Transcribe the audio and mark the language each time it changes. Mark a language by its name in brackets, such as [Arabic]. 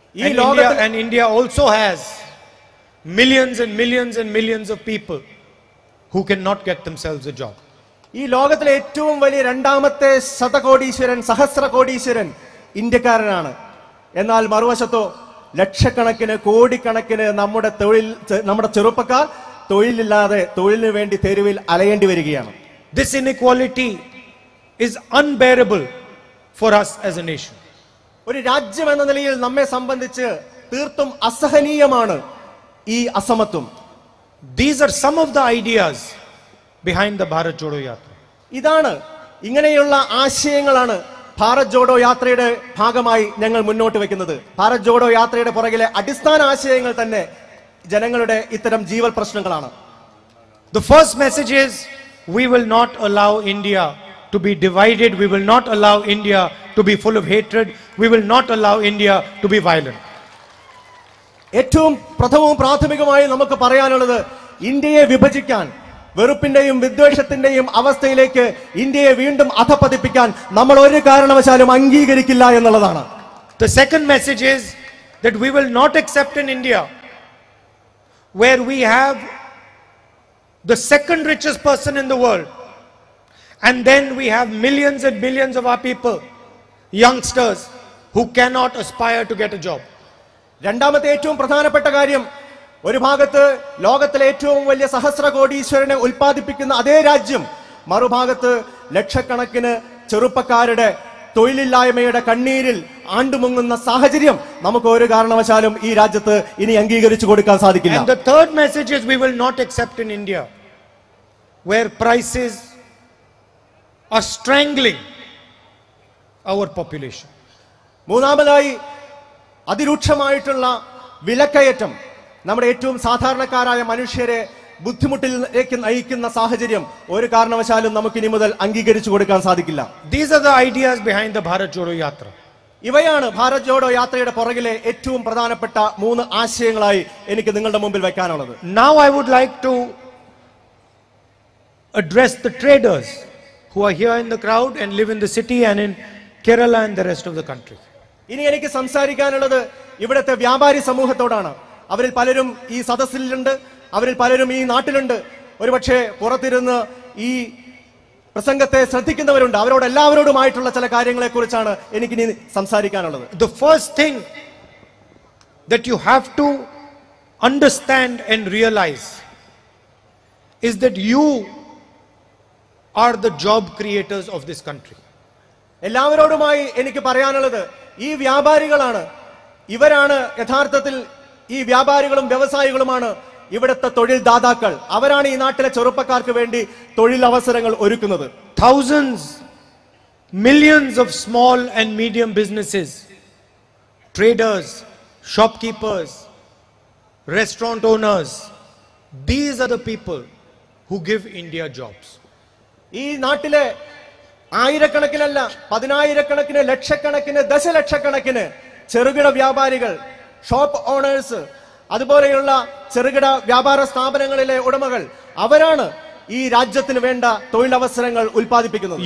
[Malayalam] ഈ ലോകത്ത് [English] And India also has millions and millions and millions of people who can not get themselves a job. [Malayalam] ഈ ലോകത്തിലെ ഏറ്റവും വലിയ രണ്ടാമത്തെ ശതകോടീശ്വരൻ, സഹസ്രകോടീശ്വരൻ ഇന്ത്യക്കാരനാണ്. എന്നാൽ മറുവശത്തോ ലക്ഷക്കണക്കിന്, കോടിക്കണക്കിന് നമ്മുടെ തൊഴിൽ, നമ്മുടെ ചെറുപ്പക്കാർ തൊഴിലില്ലാതെ തൊഴിലിന് വേണ്ടി തെരുവിൽ അലയേണ്ടി വരികയാണ്. [English] This inequality is unbearable for us as a nation. [Malayalam] ഒരു രാജ്യം എന്ന നിലയിൽ നമ്മെ സംബന്ധിച്ച് തീർത്തും അസഹനീയമാണ് ഈ അസമത്വം. [English] These are some of the ideas behind the Bharat Jodo Yatra. [Malayalam] ഇതാണ്, ഇങ്ങനെയുള്ള ആശയങ്ങളാണ് ഭാരത് ജോഡോ യാത്രയുടെ ഭാഗമായി ഞങ്ങൾ മുന്നോട്ട് വെക്കുന്നത്. ഭാരത് ജോഡോ യാത്രയുടെ പുറകിലെ അടിസ്ഥാന ആശയങ്ങൾ തന്നെ ജനങ്ങളുടെ ഇത്തരം ജീവൽ പ്രശ്നങ്ങളാണ്. [English] The first message is we will not allow India to be divided, we will not allow India to be full of hatred, we will not allow India to be violent. [Malayalam] ഏറ്റവും പ്രഥമവും പ്രാഥമികമായി നമുക്ക് പറയാനുള്ളത് ഇന്ത്യയെ വിഭജിക്കാൻ, വെറുപ്പിന്റെയും വിദ്വേഷത്തിന്റെയും അവസ്ഥയിലേക്ക് ഇന്ത്യയെ വീണ്ടും അധപ്പതിപ്പിക്കാൻ നമ്മൾ ഒരു കാരണവശാലും അംഗീകരിക്കില്ല എന്നുള്ളതാണ്. [English] The second message is that we will not accept an India where we have the second richest person in the world and then we have millions and millions of our people, youngsters, who cannot aspire to get a job. [Malayalam] രണ്ടാമത്തെ ഏറ്റവും പ്രധാനപ്പെട്ട കാര്യം, ഒരു ഭാഗത്ത് ലോകത്തിലെ ഏറ്റവും വലിയ സഹസ്രകോടീശ്വരനെ ഉൽപ്പാദിപ്പിക്കുന്ന അതേ രാജ്യം മറുഭാഗത്ത് ലക്ഷക്കണക്കിന് ചെറുപ്പക്കാരുടെ തൊഴിലില്ലായ്മയുടെ കണ്ണീരിൽ ആണ്ടുമുങ്ങുന്ന സാഹചര്യം നമുക്ക് ഒരു കാരണവശാലും ഈ രാജ്യത്ത് ഇനി അംഗീകരിച്ചു കൊടുക്കാൻ സാധിക്കില്ല. [English] The third message is we will not accept in India where prices are strangling our population. [Malayalam] മൂന്നാമതായി, അതിരൂക്ഷമായിട്ടുള്ള വിലക്കയറ്റം നമ്മുടെ ഏറ്റവും സാധാരണക്കാരായ മനുഷ്യരെ ബുദ്ധിമുട്ടിലേക്ക് നയിക്കുന്ന സാഹചര്യം ഒരു കാരണവശാലും നമുക്കിനി മുതൽ അംഗീകരിച്ചു കൊടുക്കാൻ സാധിക്കില്ല. [English] These are the ideas behind the Bharat Jodo Yatra. [Malayalam] ഇവയാണ് ഭാരത് ജോഡോ യാത്രയുടെ പുറകിലെ ഏറ്റവും പ്രധാനപ്പെട്ട മൂന്ന് ആശയങ്ങളായി എനിക്ക് നിങ്ങളുടെ മുമ്പിൽ വെക്കാനുള്ളത്. [English] Now I would like to address the traders who are here in the crowd and live in the city and in Kerala and the rest of the country. [Malayalam] ഇനി എനിക്ക് സംസാരിക്കാനുള്ളത് ഇവിടുത്തെ വ്യാപാരി സമൂഹത്തോടാണ്. അവരിൽ പലരും ഈ സദസ്സിലുണ്ട്, അവരിൽ പലരും ഈ നാട്ടിലുണ്ട്, ഒരുപക്ഷെ പുറത്തിരുന്ന് ഈ പ്രസംഗത്തെ ശ്രദ്ധിക്കുന്നവരുണ്ട്. അവരോട് എല്ലാവരോടുമായിട്ടുള്ള ചില കാര്യങ്ങളെ കുറിച്ചാണ് എനിക്ക് ഇനി സംസാരിക്കാനുള്ളത്. [English] The first thing that you have to understand and realize is that you are the job creators of this country. [Malayalam] എല്ലാവരോടുമായി എനിക്ക് പറയാനുള്ളത് ഈ വ്യാപാരികളാണ്, ഇവരാണ് യഥാർത്ഥത്തിൽ, ഈ വ്യാപാരികളും വ്യവസായികളുമാണ് ഇവിടുത്തെ തൊഴിൽ ദാതാക്കൾ. അവരാണ് ഈ നാട്ടിലെ ചെറുപ്പക്കാർക്ക് വേണ്ടി തൊഴിലവസരങ്ങൾ ഒരുക്കുന്നത്. [English] Thousands, millions of small and medium businesses, traders, shopkeepers, restaurant owners, these are the people who give India jobs. [Malayalam] ഈ നാട്ടിലെ ആയിരക്കണക്കിനല്ല, പതിനായിരക്കണക്കിന്, ലക്ഷക്കണക്കിന്, ദശലക്ഷക്കണക്കിന് ചെറുകിട വ്യാപാരികൾ, [English] shop owners, [Malayalam] അതുപോലെയുള്ള ചെറുകിട വ്യാപാര സ്ഥാപനങ്ങളിലെ ഉടമകൾ, അവരാണ് ഈ രാജ്യത്തിന് വേണ്ട തൊഴിലവസരങ്ങൾ ഉൽപ്പാദിപ്പിക്കുന്നത്.